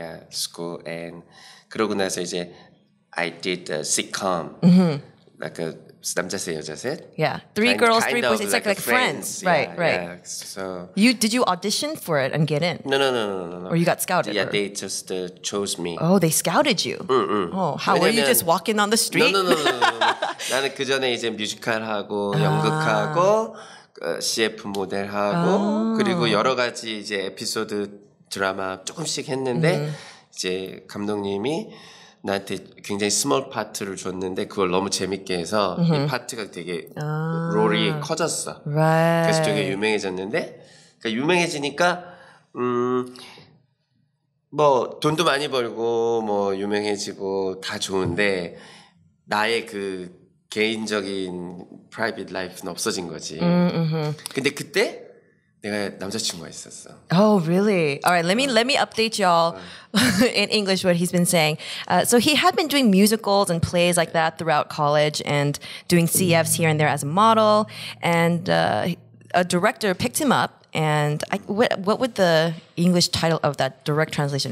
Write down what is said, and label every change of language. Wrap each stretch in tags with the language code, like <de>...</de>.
<en>School. And</en> <ko>그러고 나서 이제,</ko> <en>I did a sitcom. Like a</en> <ko>남자세 여자세?</ko> <en>Yeah, three and girls, three boys. It's like friends. Right. Yeah. So did you audition for it and get in? No. Or you got scouted? Yeah, or? They just chose me. Oh, they scouted you. Oh, how were you just walking on the street? No.</en> <ko>나는 그 전에 이제 뮤지컬 하고 연극하고 CF 모델 하고 그리고 여러 가지 이제 에피소드 드라마 조금씩 했는데 이제 감독님이 나한테 굉장히 스몰 파트를 줬는데 그걸 너무 재밌게 해서 이 파트가 되게 롤이 커졌어.</ko> <en>Right.</en> <ko>그래서 되게 유명해졌는데 그러니까 유명해지니까 뭐 돈도 많이 벌고 뭐 유명해지고 다 좋은데 나의 그 개인적인 프라이빗 라이프는 없어진 거지. 근데 그때 내가 남자친구가 있었어.</ko> <en>Oh, really? All right, let me update y'all in English what he's been saying. So he had been doing musicals and plays like that throughout college and doing CFs here and there as a model. And a director picked him up. And what would the English title of that direct translation?</en>